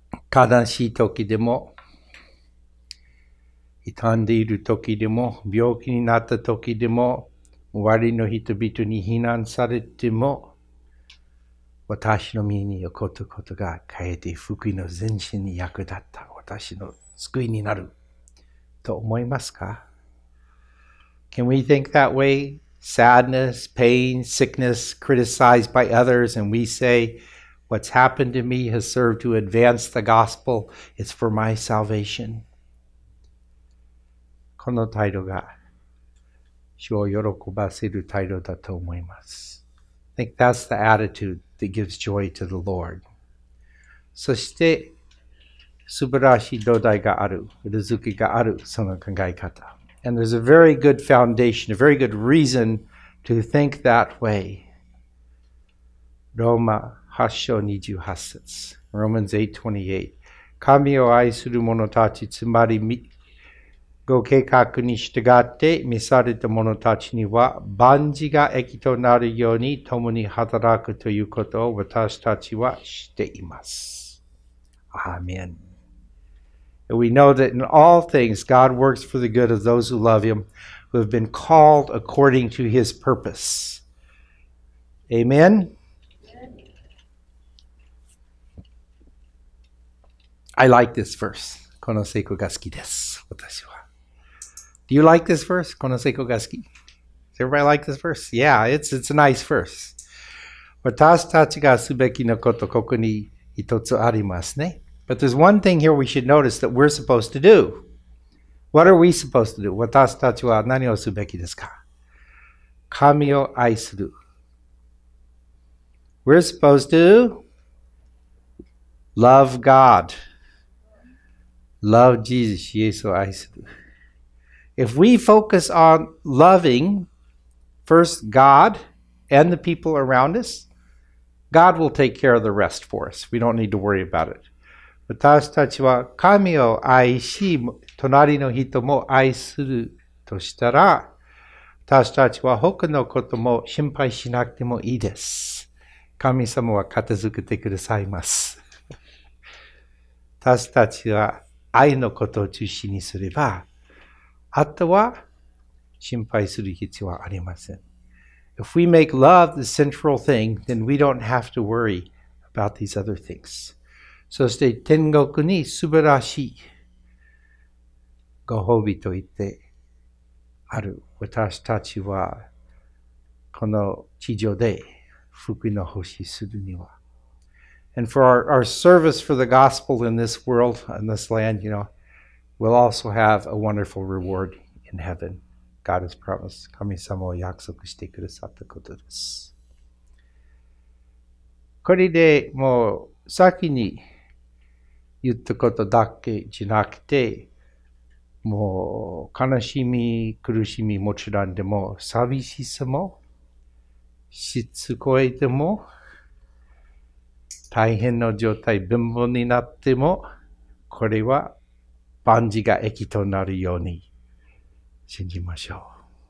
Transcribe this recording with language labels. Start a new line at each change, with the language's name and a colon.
Japanese: 悲しい時でも、傷んでいる時でも、病気になった時でも、終わりの人々に非難されても、私の身に起こったことがかえって福音の前進に役立った。私の救いになると思いますか？
English: Can we think that way? Sadness, pain, sickness, criticized by others, and we say,What's happened to me has served to advance the gospel. It's for my salvation.
Japanese: この態度が主を喜ばせる態度だと思います。
English: I think that's the attitude that gives joy to the Lord.
Japanese: そして素晴らしい土台がある、根付きがあるその考え方。
English: And there's a very good foundation, a very good reason to think that way.
Japanese: ローマ8章28節
English: Romans 8:28
Japanese: 神を愛する者たちつまりご計画に従って召された者たちには万事が益となるように共に働くということを私たちはしています
English: Amen. We know that in all things God works for the good of those who love him who have been called according to his purpose AmenI like this verse.
Japanese: この聖句が好きです。私は。
English: Do you like this verse?
Japanese: この聖句が好き。
English: Does everybody like this verse? Yeah, it's a nice verse.
Japanese: 私たちがすべきのことここに一つありますね。
English: But there's one thing here we should notice that we're supposed to do. What are we supposed to do?
Japanese: 私たちは何をすべきですか？神を愛する。
English: We're supposed to love God. Love Jesus, Yesu, I said. If we focus on loving first God and the people around us, God will take care of the rest for us. We don't need to worry about it.
Japanese: 私たちは神を愛し、隣の人も愛するとしたら、私たちは他のことも心配しなくてもいいです。神様は片付けてくださいます。私たちは愛のことを中心にすれば、あとは心配する必要はありません。
English: If we make love the central thing, then we don't have to worry about these other things.
Japanese: そして天国に素晴らしいご褒美と言ってある。私たちはこの地上で福音の奉仕するには、
English: And for our service for the gospel in this world, in this land, you know, we'll also have a wonderful reward in heaven. God has promised.
Japanese: 神様を約束してくださったことです。これでもう先に言ったことだけじゃなくて、もう悲しみ、苦しみもちろんでも、寂しさも、しつこいでも、大変な状態、貧乏になっても、これは万事が益となるように信じましょう。